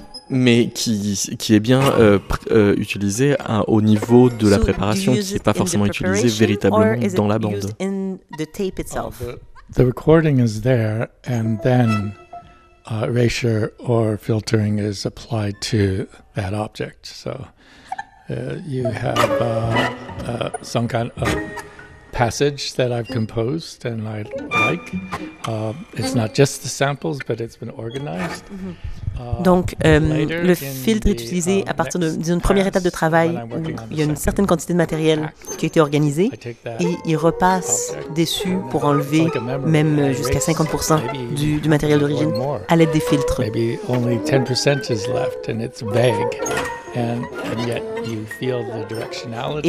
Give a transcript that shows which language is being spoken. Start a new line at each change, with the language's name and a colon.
French: Mais qui est bien utilisé au niveau de la préparation, qui n'est pas forcément utilisé véritablement dans la bande.
English: The recording is there, and then erasure or filtering is applied to that object. So you have some kind of passage that I've composed and I like. It's not just the samples, but it's been organized.
French: Donc, le filtre est utilisé à partir d'une première étape de travail où il y a une certaine quantité de matériel qui a été organisé et il repasse dessus pour enlever même jusqu'à 50% du matériel d'origine à l'aide des filtres.
English: Maybe only 10% is left and it's vague. And yet you feel the directionality.